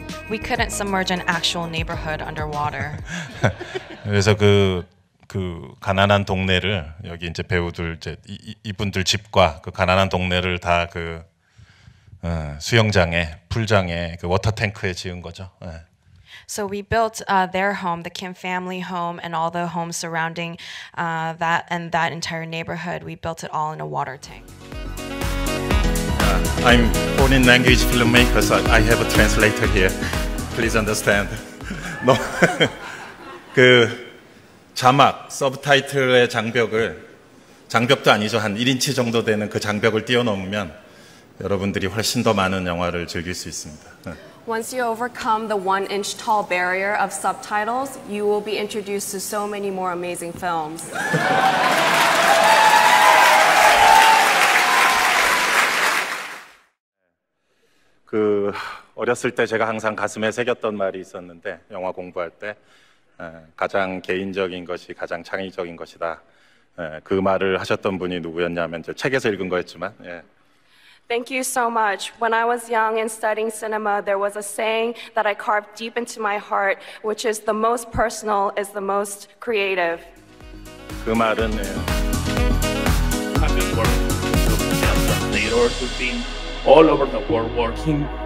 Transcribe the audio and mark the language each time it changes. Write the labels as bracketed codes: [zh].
[en] We couldn't submerge an actual neighborhood underwater. [ko] 그래서 그 가난한 동네를 여기 이제 배우들 이제 이분들 집과 그 가난한 동네를 다 그 수영장에 풀장에 그 워터 탱크에 지은 거죠. [en] So we built their home, the Kim family home, and all the homes surrounding that and that entire neighborhood. We built it all in a water tank. I'm born in language filmmaker, so I have a translator here. Please understand. No. [ko] 그 자막, 서브타이틀의 장벽을 장벽도 아니죠. 한 1인치 정도 되는 그 장벽을 뛰어넘으면 여러분들이 훨씬 더 많은 영화를 즐길 수 있습니다. [en] Once you overcome the one-inch tall barrier of subtitles, you will be introduced to so many more amazing films. [ko] 그 어렸을 때 제가 항상 가슴에 새겼던 말이 있었는데 영화 공부할 때 가장 개인적인 것이 가장 창의적인 것이다. 그 말을 하셨던 분이 누구였냐면 저 책에서 읽은 거였지만 예. [en] Thank you so much. When I was young and studying cinema, there was a saying that I carved deep into my heart, which is the most personal is the most creative. [ko] 그 말은 네. [en] I've been working with theater, we've been all over the world working.